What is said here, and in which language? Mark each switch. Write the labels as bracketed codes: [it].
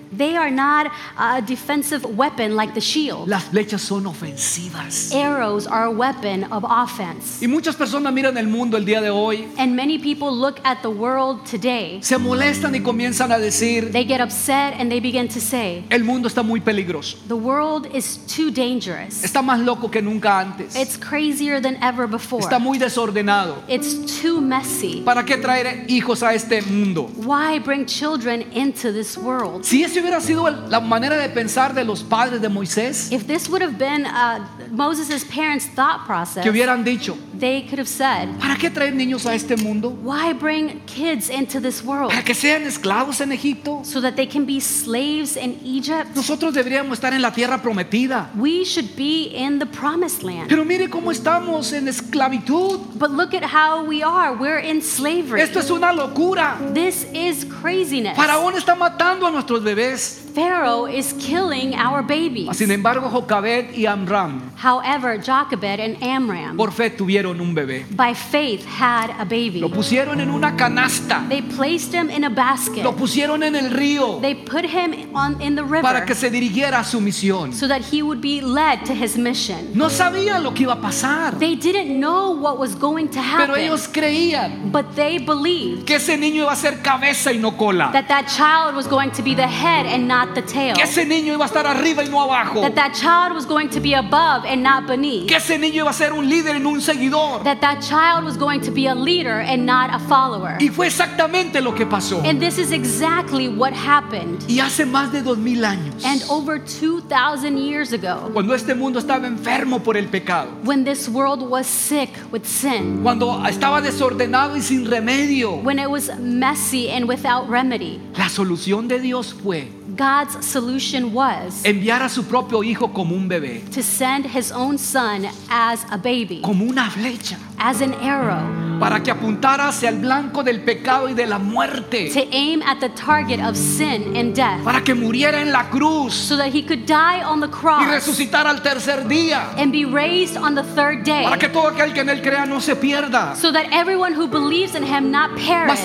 [en] They are not a defensive weapon like the shield. [es] Las flechas son ofensivas. [en] Arrows are a weapon of offense. [es] Y muchas personas miran el mundo el día de hoy. [en] And many people look at the world today. [es] Se molestan y comienzan a decir. [en] They get upset and they begin to say. [es] El mundo está muy peligroso. [en] The world is too dangerous. [es] Está más loco que nunca antes. [en] It's crazier than ever before. [es] Está muy desordenado. [en] It's too messy. [es] ¿Para qué traer hijos a este mundo? [en] Why bring children into this world? [es] Si esa hubiera sido la manera de pensar de los padres de Moisés, [en] if this would have been Moses's parents' thought process, [es] que hubieran dicho, [en] they could have said, [es] ¿para qué traer niños a este mundo? [en] Why bring kids into this world? [es] ¿Para que sean esclavos en Egipto? [en] So that they can be slaves in Egypt? [es] Nosotros deberíamos estar en la tierra prometida. [en] We should be in the promised land. [es] Pero mire cómo estamos en esclavitud. [en] But look at how we are. We're in slavery. [es] Esto es una locura. [en] This is craziness. [es] Faraón está matando a nuestros bebés. [en] Pharaoh is killing our babies. [es] Sin embargo, Jochebed y Amram. [en] However, Jochebed and Amram. [es] Por fe tuvieron un bebé. [en] By faith had a baby. [es] Lo pusieron en una canasta. [en] They placed him in a basket. [es] Lo pusieron en el río. [en] They put him in the river. [es] Para que se dirigiera a su misión. [en] So that he would be led to his mission. [es] No sabían lo que iba a pasar. [en] They didn't know what was going to happen. [es] Pero ellos creían. [en] But they believed. [es] Que ese niño iba a ser cabeza y no cola. [en] That child was going to be the head and not the tail. [es] Que ese niño iba a estar arriba y no abajo. [en] That child was going to be above and not beneath. [es] Que ese niño iba a ser un líder y no un seguidor. [en] That child was going to be a leader and not a follower. [es] Y fue exactamente lo que pasó. [en] And this is exactly what happened. [es] Y hace más de 2000 años. [en] And over 2000 years ago. [es] Cuando este mundo estaba enfermo por el pecado. [en] When this world was sick with sin. [es] Cuando estaba desordenado y sin remedio. [en] When it was messy and without remedy. [es] La solución de Dios fue [en] God's solution was [es] enviar a su propio hijo como un bebé, [en] to send his own son as a baby, [es] como una flecha, [en] as an arrow. [es] para que apuntara hacia el blanco del pecado y de la muerte. [en] To aim at the target of sin and death. [es] Para que muriera en la cruz. [en] So that he could die on the cross. [es] Y resucitar al tercer día. [en] And be raised on the third day. [es] Para que todo aquel que en él crea no se pierda. [en] So that everyone who believes in him not perish.